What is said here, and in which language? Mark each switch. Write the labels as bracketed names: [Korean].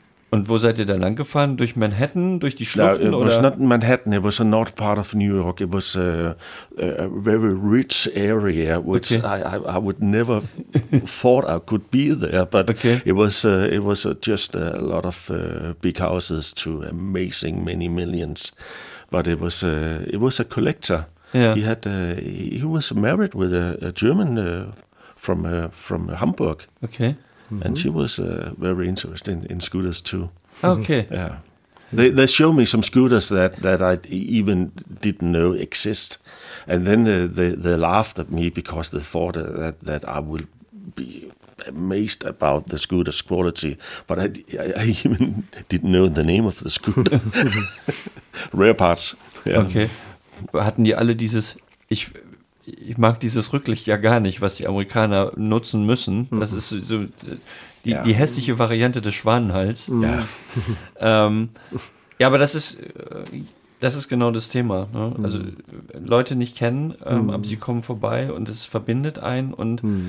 [German] Und wo seid ihr da lang gefahren? Durch Manhattan, durch die Schluchten? [English] It was not Manhattan, it was a north part of New York. It was a very rich area, which I would never thought I could be there. But it was just a lot of big houses to amazing many millions. But it was a collector. Yeah. He was married with a German from Hamburg. Okay. Mm-hmm. And she was very interested in scooters too. Okay. Yeah, they showed me some scooters that I even didn't know exist, and then they laughed at me because they thought that I would be amazed about the scooter's quality, but I even didn't know the name of the scooter. Rare parts. Yeah. Okay. [German] Hatten die alle dieses Ich mag dieses Rücklicht ja gar nicht, was die Amerikaner nutzen müssen. Das ist so die hässliche Variante des Schwanenhals. Ja, aber das ist genau das Thema. Ne? Mhm. Also Leute nicht kennen, aber sie kommen vorbei und es verbindet einen. Und